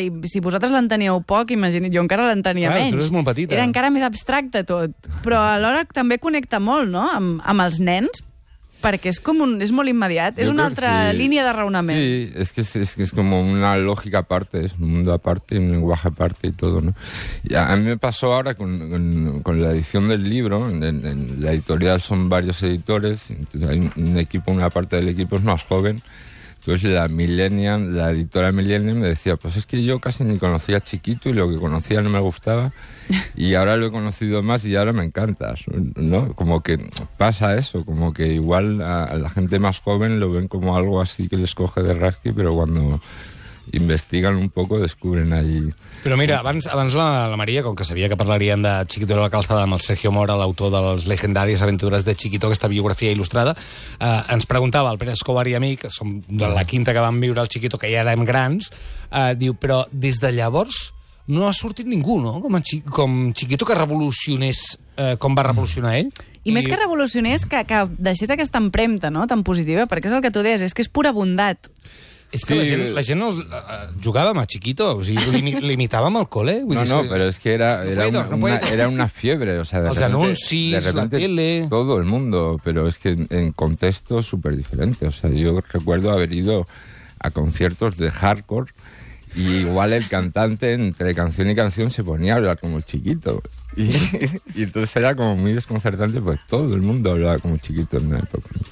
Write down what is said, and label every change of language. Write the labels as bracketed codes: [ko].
[ca] I si vosaltres l'enteníeu poc, imagina't, jo encara l'entenia menys. Clar, tu eres molt petita. Era encara més abstracte tot. Però alhora també connecta molt, no?, amb els nens. Perquè és com és molt immediat, és una altra línia de raonament. [es] Sí, [ca] és com una lògica [es] aparte, és un mundo aparte, un lenguaje aparte y todo, ¿no? Y a mí me pasó ahora con la edición del libro, en la editorial son varios editores, entonces hay un equipo, una parte del equipo es más joven, entonces la editora Millennium me decía, pues es que yo casi ni conocía a Chiquito y lo que conocía no me gustaba y ahora lo he conocido más y ahora me encantas, ¿no? Como que pasa eso, como que igual a la gente más joven lo ven como algo así que les coge de rasqui, pero cuando investigan un poco descubren allí. [ca] Però mira, abans la Maria, com que sabia que parlarien de Chiquito de la Calzada amb el Sergio Mora, l'autor de les legendàries aventures de Chiquito, aquesta biografia il·lustrada, ens preguntava el Pere Escobar i a mi, que som de la quinta que vam viure el Chiquito, que ja érem grans, diu, però des de llavors no ha sortit ningú, no?, com Chiquito que revolucionés, com va revolucionar ell. I més que revolucionés, que deixés aquesta empremta, no?, tan positiva, perquè és el que tu deies, és que és pura bondat. És que sí. la gent jugava amb a Chiquito, o sigui, limitàvem el cole. Vull dir, no, però és que era una fiebre. [es] O sea, [ca] els anuncis, la tele... [es] Todo el mundo, [ca] però és que [es] en contextos súper diferentes. O sea, yo recuerdo haber ido a conciertos de hardcore y igual el cantante entre canción y canción se ponía a hablar como el Chiquito. Y entonces era como muy desconcertante, pues todo el mundo hablaba como chiquito en la época.